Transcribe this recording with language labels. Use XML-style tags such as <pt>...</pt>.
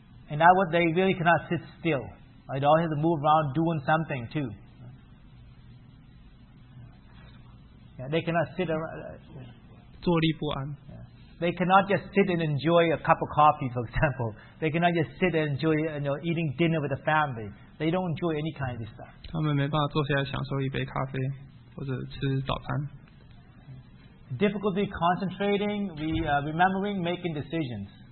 <en>And that what they really cannot sit still. I always have to move around doing something too. Yeah, they cannot sit around.</en> <zh>坐立不安.</zh> <en>They cannot just sit and enjoy a cup of coffee, for example. They cannot just sit and enjoy, you know, eating dinner with the family. They don't enjoy any kind of this stuff.</en> <zh>他们没办法坐下来享受一杯咖啡或者吃早餐.</zh> <en>Difficulty concentrating, remembering, making decisions.</en>